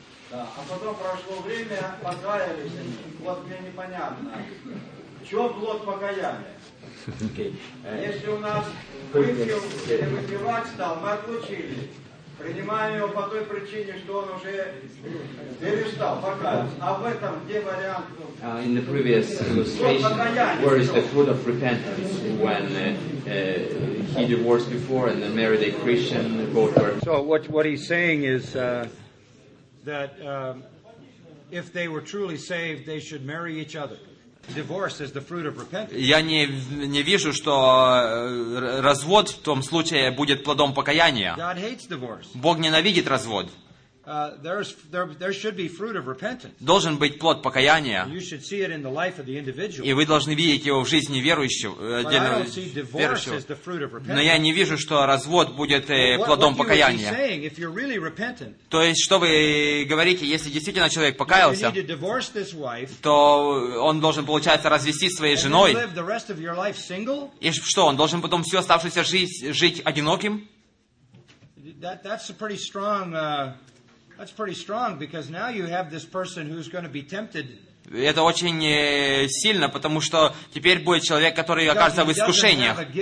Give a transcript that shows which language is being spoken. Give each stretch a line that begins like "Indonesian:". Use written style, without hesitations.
Russian: Да. А потом прошло время, покаялись они. Вот мне непонятно, в чем плод покаяния? Если у нас выпил или выпивать стал, мы отлучились. Принимаем его по той причине, что он уже перестал покаяться. А в этом где вариант?
English: In the previous illustration, where is the fruit of repentance when he divorced before and then married a Christian, both were. So what he's saying is that if they were truly saved, they should marry each other. Divorce is the fruit of repentance.
Russian: Я не вижу, что развод в том случае будет плодом покаяния.
English: God hates divorce.
Russian: Бог ненавидит развод.
English: There should be fruit of repentance.
Russian: Должен быть плод покаяния.
English: You should see it in the life of the individual.
Russian: И вы должны видеть его в жизни верующего.
English: But I don't see divorce as the fruit of repentance.
Russian: Но я не вижу, что развод будет плодом покаяния.
English: What you would be saying if you're really repentant?
Russian: То есть, что вы говорите, если действительно человек покаялся,
English: you need to divorce this wife,
Russian: то он должен, получается, развестись своей женой.
English: And live the rest of your life single?
Russian: И что, он должен потом всю оставшуюся жизнь жить одиноким?
English: That's a pretty strong. That's pretty strong because now you have this person who's going to be tempted.
Russian: Это очень сильно, потому что теперь будет человек, который окажется в искушениях.